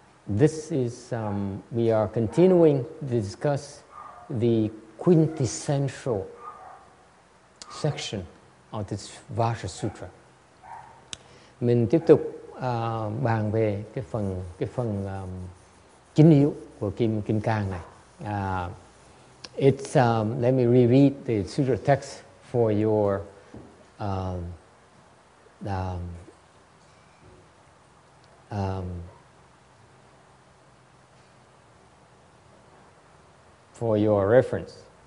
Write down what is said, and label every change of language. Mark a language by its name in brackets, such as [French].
[English] We are continuing to discuss the quintessential section of this Vajra Sutra. [Vietnamese] Mình tiếp tục bàn về cái phần chính yếu của kim cang này. [English] Let me reread the sutra text for your for your reference.